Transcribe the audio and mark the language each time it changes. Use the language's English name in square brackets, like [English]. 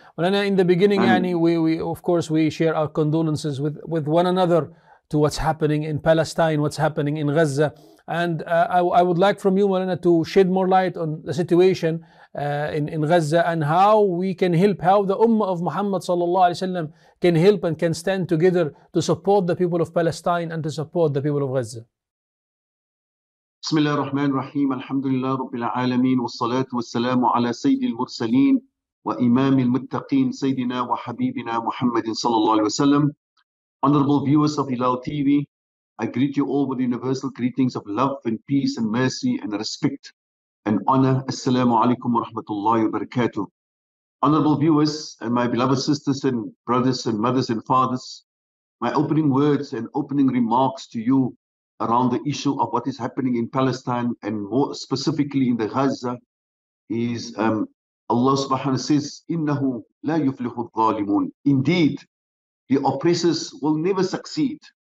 [English] مولانا in the beginning يعني we of course we share our condolences with one another to what's happening in Palestine, what's happening in Gaza. And I would like from you مولانا to shed more light on the situation in Gaza and how we can help, how the Ummah of Muhammad [Arabic] صلى الله عليه وسلم [English] can help and can stand together to support the people of Palestine and to support the people of Gaza. [Arabic] بسم الله الرحمن الرحيم الحمد لله رب العالمين والصلاة والسلام على سيد المرسلين وإمام المتقين سيدنا وحبيبنا محمد صلى الله عليه وسلم. [English] Honorable viewers of Hilal TV, I greet you all with universal greetings of love and peace and mercy and respect and honor. [Arabic] السلام عليكم ورحمة الله وبركاته. [English] Honorable viewers and my beloved sisters and brothers and mothers and fathers, my opening words and opening remarks to you around the issue of what is happening in Palestine and more specifically in the Gaza is Allah subhanahu wa ta'ala says [Arabic] innahu la yuflihu adh-dhalimun, [English] indeed the oppressors will never succeed.